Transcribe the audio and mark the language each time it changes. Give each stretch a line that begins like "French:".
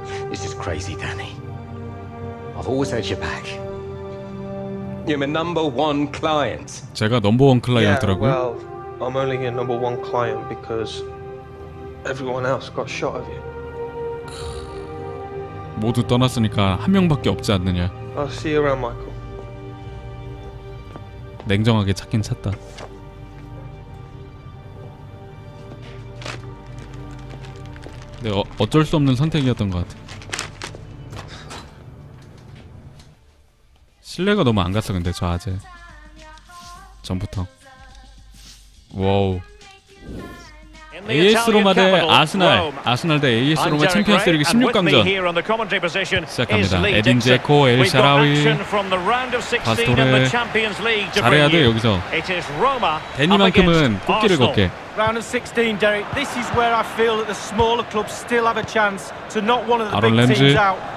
English: This is crazy, Danny. I've always had your back. You're my number one client.
Korean: 제가 number one client 더라고요.
English: Yeah, well, I'm only your number one client because everyone else got shot of you.
Korean: 모두 떠났으니까 한 명밖에 없지 않느냐.
English: I'll see you around, Michael.
Korean: 냉정하게 찾긴 찾다. 근데 어쩔 수 없는 선택이었던 것 같아. 신뢰가 너무 안 갔어. 근데 저 아재 전부터. 와우. AS 로마 대 아스날. 아스날 대 AS 로마 챔피언스 리그 16강전 시작합니다. 에딘 제코, 엘 샤라위, 바스토레. 잘해야 돼 여기서. 데니만큼은 꽃길을 걷게.
English: Round of 16, Derek. This is where I feel that the smaller clubs still have a chance to knock one of the big teams out.